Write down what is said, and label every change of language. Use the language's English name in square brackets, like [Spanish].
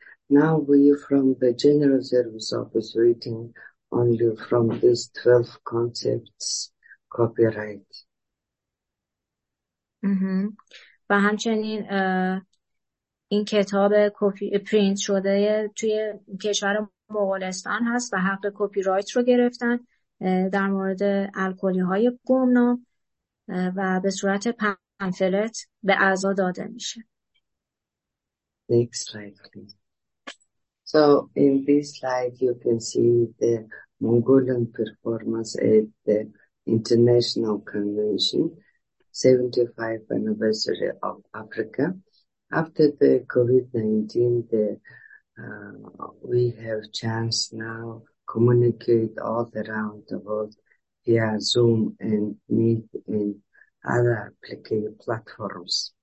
[English] Now we from the General Service Office waiting only from these 12 concepts copyright. [Persian] و همچنین این کتاب کپی پرینت شده توی کشور مغولستان هست و حق کپی رایت رو گرفتن در مورد الکلی های گمنام و به صورت پنفلت به اعضا داده میشه. [English] Next slide, please. So in this slide you can see the Mongolian performance at the International Convention 75th anniversary of Africa. After the COVID-19, we have chance now communicate all around the world via Zoom and meet in other applicable platforms.